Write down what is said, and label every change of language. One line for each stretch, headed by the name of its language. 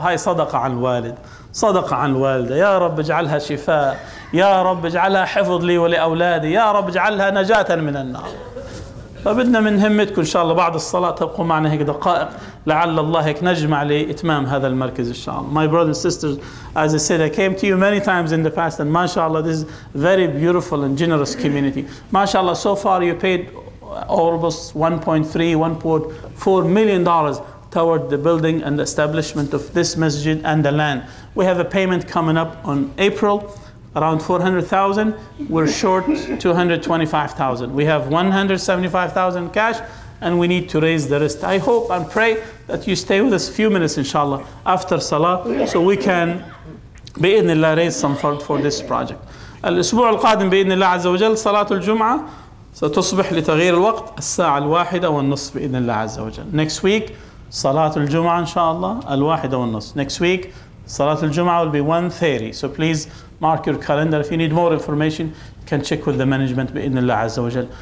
Arabic: هاي صدقة عن الوالد، صدقة عن الوالدة، يا رب اجعلها شفاء، يا رب اجعلها حفظ لي ولأولادي، يا رب اجعلها نجاة من النار. فبدنا من همتكم إن شاء الله بعد الصلاة تبقوا معنا هيك دقائق، لعل الله هيك نجمع لإتمام هذا المركز إن شاء الله.
English: My brothers and sisters, as I said, I came to you many times in the past, and mashallah, this is very beautiful and generous community. Mashallah, so far you paid almost $1.4 million toward the building and the establishment of this masjid and the land. We have a payment coming up on April, around 400,000. We're short 225,000. We have 175,000 cash, and we need to raise the rest. I hope and pray that you stay with us a few minutes, inshallah, after salah, so we can,
Arabic: بإذن الله,
English: raise some fund for this project.
Arabic: الأسبوع القادم بإذن الله عز وجل صلاة الجمعة ستصبح لتغيير الوقت الساعة الواحدة والنصف بإذن الله عز وجل.
English: Next week,
Arabic: صلاة الجمعة إن شاء الله الواحدة والنصف.
English: Next week, صلاة الجمعة will be 1:30. So please mark your calendar. If you need more information, you can check with the management
Arabic: بإذن الله عز وجل.